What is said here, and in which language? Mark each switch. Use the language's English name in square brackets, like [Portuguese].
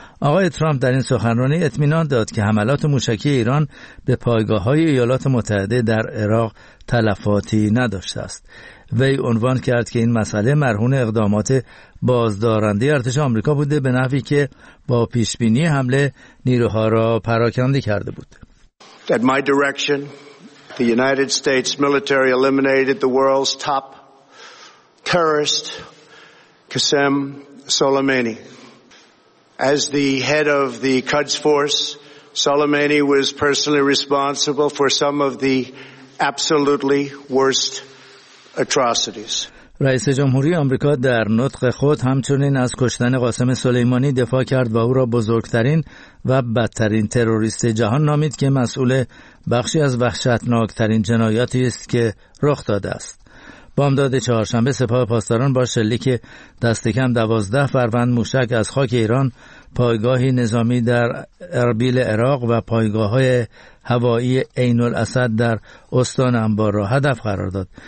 [Persian] آقای ترامپ در این سخنرانی اطمینان داد که حملات موشکی ایران به پایگاه‌های ایالات متحده در عراق تلفاتی نداشته است. وی عنوان کرد که این مسئله مرهون اقدامات بازدارنده ارتش آمریکا بوده، به نحوی که با پیشبینی حمله نیروها را پراکنده کرده بود. [English] At my direction, the United States military eliminated the world's top terrorist, Qasem Soleimani. As the head of the Quds force, Soleimani was personally responsible for some of the absolutely worst atrocities. [Persian] رئیس جمهوری آمریکا در نطق خود همچنین از کشتن قاسم سلیمانی دفاع کرد و او را بزرگترین و بدترین تروریست جهان نامید که مسئول بخشی از وحشتناکترین جنایاتی است که رخ داده است. بامداد چهارشنبه سپاه پاسداران با شلیک دست کم 12 فروند موشک از خاک ایران، پایگاهی نظامی در اربیل عراق و پایگاه‌های هوایی عین الاسد در استان انبار را هدف قرار داد.